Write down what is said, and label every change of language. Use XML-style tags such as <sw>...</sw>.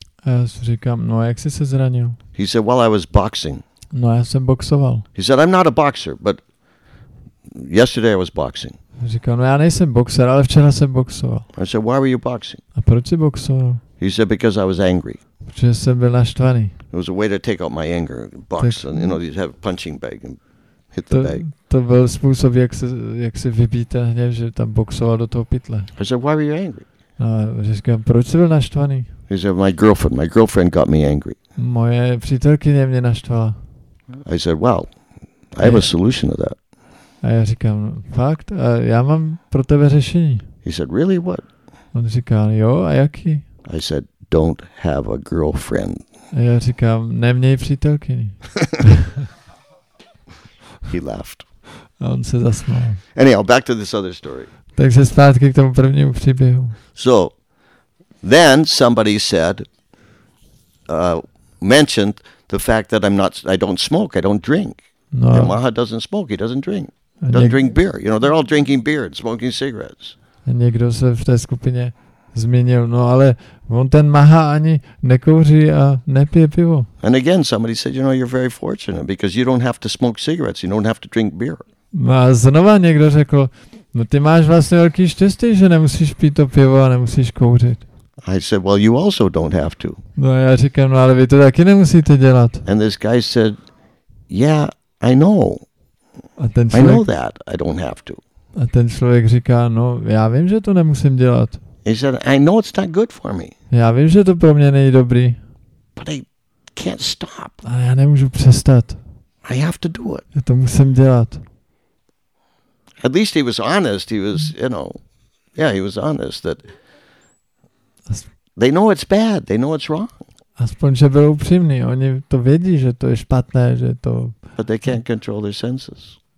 <cs>A já si říkám, no jak jsi se zranil?</cs> <en>He said, well, I was boxing.</en> <cs>No já jsem boxoval.</cs> <en>He said, I'm not a boxer, but yesterday I was boxing.</en> <cs>Říkám, no já nejsem boxer, ale včera jsem boxoval.</cs> <en>I said, why were you boxing?</en> <cs>A proč jsi boxoval?</cs> <en>He said, because I was angry.</en> <cs>Protože jsem byl naštvaný.</cs> <en>It was a way to take out my anger, box, tak, and you know, you have a punching bag and hit the bag.</en> <cs>To byl způsob, jak se vybít ten hněv, že tam boxoval do toho pytle.</cs> <en>I said, why were you angry?</en> <cs>A říkám, proč jsi byl naštvaný?</cs> <en>He said, my girlfriend got me angry.</en> <cs>Moje přítelkyně mě naštvala.</cs> <en>I said, well, I have a solution to that.</en> <cs>A já říkám, fakt? A já mám pro tebe řešení.</cs> <en>He said, really, what?</en> <cs>On říkal, jo, a jaký?</cs> <en>I said, don't have a girlfriend.</en> <cs>A já říkám, neměj přítelkyni.</cs> <en>He laughed.</en> <cs>A on se zasmál.</cs> <en>Anyhow, back to this other story.</en> <cs>Takže zpátky k tomu prvnímu příběhu.</cs> <en>So, then somebody said, mentioned the fact that I don't smoke, I don't drink.</en> <cs>No.</cs> <en>And Maha doesn't smoke, he doesn't drink. Drink beer. You know, they're all drinking beer and smoking cigarettes.</en> <cs>A někdo se v té skupině zmínil, no ale on ten Maha ani nekouří a nepije pivo.</cs> <en>And again, somebody said, you know, you're very fortunate because you don't have to smoke cigarettes, you don't have to drink beer.</en> <cs>A znova někdo řekl, no ty máš vlastně velký štěstí, že nemusíš pít to pivo a nemusíš kouřit.</cs> <en>I said, well, you also don't have to.</en> <cs>No a já říkám, no ale vy to taky nemusíte dělat.</cs> <en>And this guy said, yeah, I know. I know that, I don't have to.</en> <cs>A ten člověk říká, no já vím, že to nemusím dělat.</cs> <en>He said, I know it's not good for me.</en> <cs>Já vím, že to pro mě není dobrý.</cs> <en>But I can't stop.</en> <cs>A já nemůžu přestat.</cs> <en>I have to do it.</en> <cs>Já to musím dělat.</cs> <en>At least he was honest. He was, you know, Yeah, he was honest that they know it's bad, they know it's wrong.</en> <cs>Aspoň, že byl upřímný. Oni to vědí, že to je špatné, že to...</cs> <en>But they can't control their senses.</en>